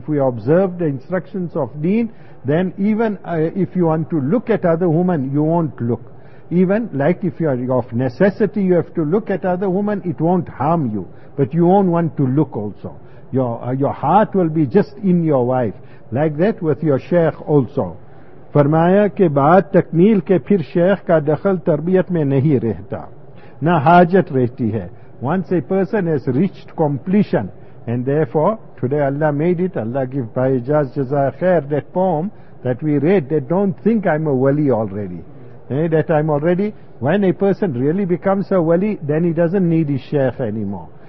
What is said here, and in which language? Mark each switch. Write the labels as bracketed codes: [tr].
[en] If we observe the instructions of deen, then even if you want to look at other women, you won't look. Even like if you are of necessity, you have to look at other women, it won't harm you. But you won't want to look also. Your heart will be just in your wife. Like that with your sheikh also. [ur] فرمایا کہ بعد تکمیل کے پھر شیخ کا دخل تربیت میں نہیں رہتا نہ حاجت رہتی ہے. [en] Once a person has reached completion, and therefore today Allah made it, Allah give by ijaz jaza khair, that poem that we read, they don't think I'm a wali already. That I'm already, when a person really becomes a wali, then he doesn't need his sheikh anymore.